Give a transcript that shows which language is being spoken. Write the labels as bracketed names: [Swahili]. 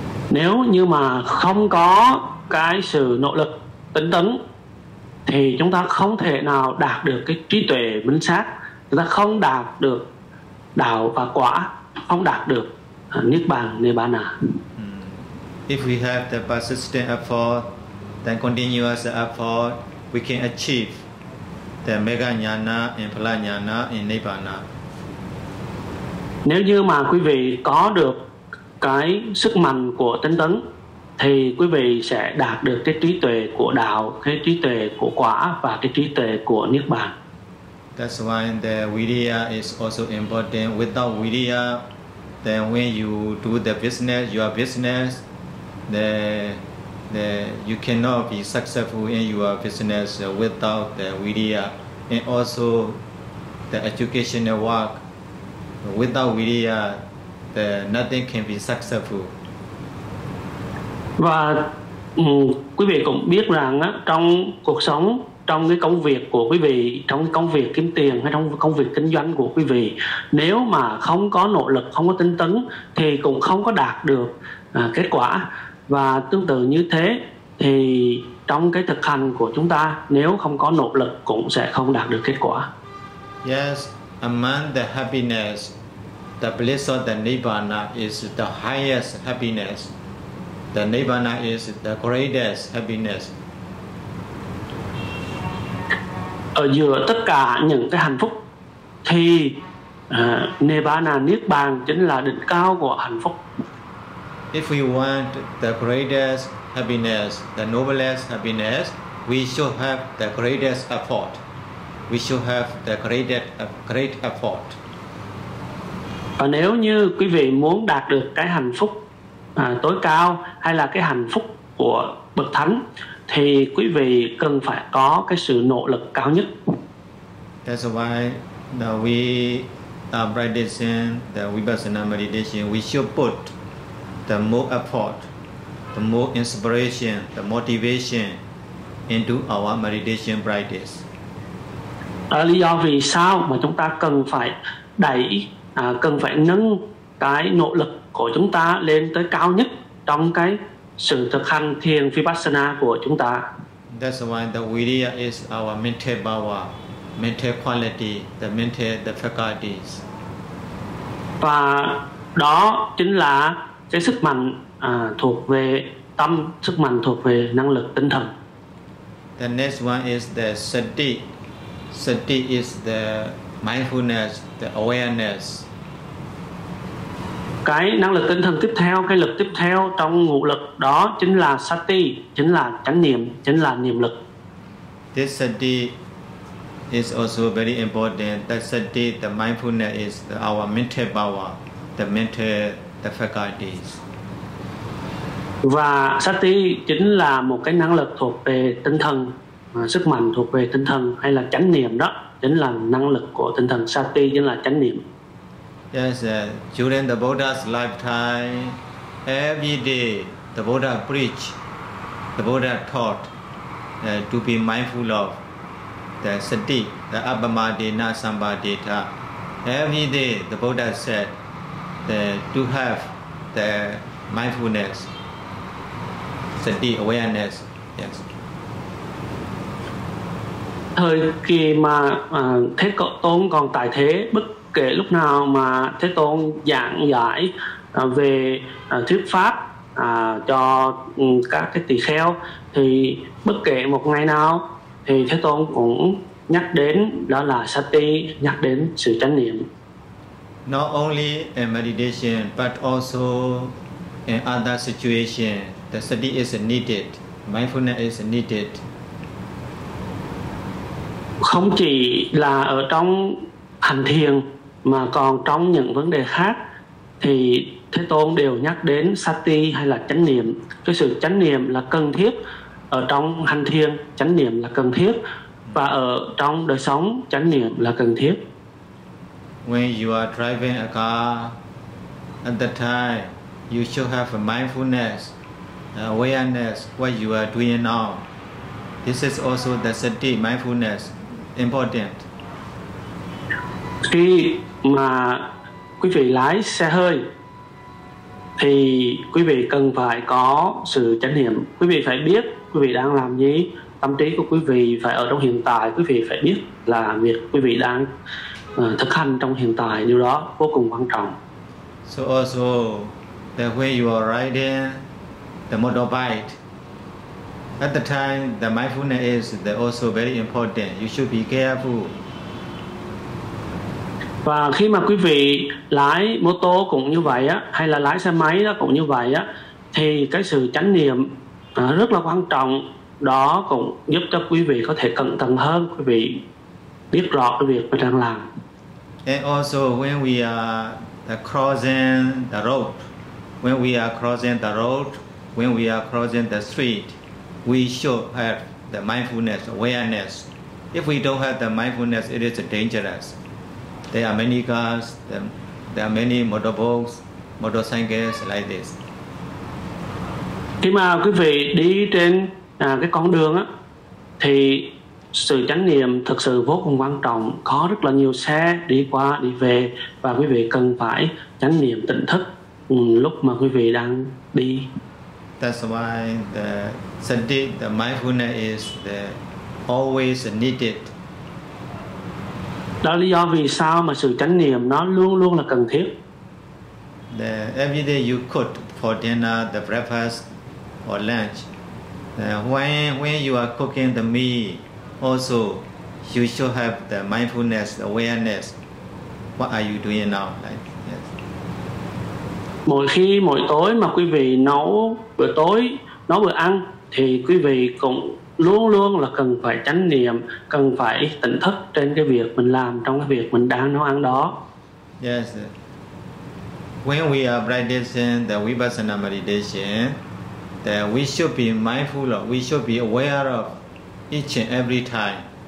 [Vietnamese] Nếu như mà không có cái sự nỗ lực tinh tấn thì chúng ta không thể nào đạt được cái trí tuệ minh sát, chúng ta không đạt được đạo và quả, không đạt được niết bàn, nirvana. [English] If we have the persistent effort, the continuous effort, we can achieve the mega jnana and phala jnana and nirvana. [Vietnamese] Nếu như mà quý vị có được cái sức mạnh của tinh tấn thì quý vị sẽ đạt được cái trí tuệ của đạo, cái trí tuệ của quả và cái trí tuệ của niết bàn. [English] That's why the viriya is also important. Without viriya, then when you do the business, your business, the you cannot be successful in your business without the viriya. And also the educational work, without viriya, that nothing can be successful. [Vietnamese] Và quý vị cũng biết rằng á, trong cuộc sống, trong cái công việc của quý vị, trong công việc kiếm tiền hay trong công việc kinh doanh của quý vị, nếu mà không có nỗ lực, không có tinh tấn thì cũng không có đạt được kết quả. Và tương tự như thế thì trong cái thực hành của chúng ta, nếu không có nỗ lực cũng sẽ không đạt được kết quả. [English] Yes, among the happiness, the bliss of the Nirvana is the highest happiness. The Nirvana is the greatest happiness. [Vietnamese] Ở giữa tất cả những cái hạnh phúc thì thì Nibbana, Niết Bàn chính là đỉnh cao của hạnh phúc. [English] If we want the greatest happiness, the noblest happiness, we should have the greatest effort. We should have the greatest great effort. [Vietnamese] Và nếu như quý vị muốn đạt được cái hạnh phúc tối cao hay là cái hạnh phúc của Bậc Thánh thì quý vị cần phải có cái sự nỗ lực cao nhất. [English] That's why that we are practicing the Vipassana meditation, we should put the more effort, the more inspiration, the motivation into our meditation practice. [Vietnamese] Đó là lý do vì sao mà chúng ta cần phải đẩy, cần phải nâng cái nỗ lực của chúng ta lên tới cao nhất trong cái sự thực hành thiền Vipassana của chúng ta. [English] That's why the Vidya is our mental power, mental quality, the mental, the faculties. [Vietnamese] Và đó chính là cái sức mạnh thuộc về tâm, sức mạnh thuộc về năng lực tinh thần. [English] The next one is the sati. Sati is the mindfulness, the awareness. [Vietnamese] Cái năng lực tinh thần tiếp theo, cái lực tiếp theo trong ngũ lực đó chính là sati, chính là chánh niệm, chính là niệm lực. [English] This sati is also very important. The sati, the mindfulness is our mental power, the mental, the faculties. [Vietnamese] Và sati chính là một cái năng lực thuộc về tinh thần, sức mạnh thuộc về tinh thần hay là chánh niệm đó, chính là năng lực của tinh thần. Sati chính là chánh niệm. [English] Yes, during the Buddha's lifetime, every day the Buddha preached, the Buddha taught to be mindful of the sati, the [Pali] appamadena sambandhita. [English] Every day the Buddha said to have the mindfulness, sati, awareness. Yes. [Vietnamese] Thời kỳ mà Thế Tôn còn tại thế, bất kể lúc nào mà Thế Tôn giảng giải về thuyết pháp cho các cái tỳ kheo, thì bất kể một ngày nào thì Thế Tôn cũng nhắc đến đó là sati, nhắc đến sự chánh niệm. [English] Not only in meditation but also in other situation, the sati is needed, mindfulness is needed. [Vietnamese] Không chỉ là ở trong hành thiền mà còn trong những vấn đề khác thì Thế Tôn đều nhắc đến sati hay là chánh niệm. Cái sự chánh niệm là cần thiết ở trong hành thiền, chánh niệm là cần thiết, và ở trong đời sống chánh niệm là cần thiết. [English] When you are driving a car, at that time you should have a mindfulness, awareness what you are doing now. This is also the sati, mindfulness. Important. [Vietnamese] Khi mà quý vị lái xe hơi thì quý vị cần phải có sự chánh niệm. Quý vị phải biết quý vị đang làm gì. Tâm trí của quý vị phải ở trong hiện tại. Quý vị phải biết là việc quý vị đang thực hành trong hiện tại, điều đó vô cùng quan trọng. [English] So also that when you are riding the motorbike, at the time, the mindfulness is also very important. You should be careful. [Vietnamese] Và khi mà quý vị lái mô tô cũng như vậy á, hay là lái xe máy đó cũng như vậy á, thì cái sự chánh niệm rất là quan trọng. Đó cũng giúp cho quý vị có thể cẩn thận hơn, quý vị biết rõ cái việc mình đang làm. [English] And also, when we are crossing the road, when we are crossing the road, when we are crossing the street, we should have the mindfulness, awareness. If we don't have the mindfulness, it is dangerous. There are many cars, there are many motorbikes, motorcycles like this. [Vietnamese] Khi mà quý vị đi trên cái con đường á, thì sự chánh niệm thực sự vô cùng quan trọng. Có rất là nhiều xe đi qua, đi về, và quý vị cần phải chánh niệm tỉnh thức lúc mà quý vị đang đi. [English] That's why the sati, the mindfulness is the always needed. [Vietnamese] Đó là lý do vì sao mà sự chánh niệm nó luôn luôn là cần thiết. [English] The every day you cook for dinner, the breakfast or lunch. When you are cooking the meal, also you should have the mindfulness, awareness What are you doing now? Like, yes. [Vietnamese] Mỗi khi mỗi tối mà quý vị nấu bữa tối, nấu bữa ăn thì quý vị cũng luôn luôn là cần phải chánh niệm, cần phải tỉnh thức trên cái việc mình làm, trong cái việc mình đang nấu ăn đó. [English] Yes. When we are practicing the Vipassana meditation, that we should be mindful of, we should be aware of each and every time.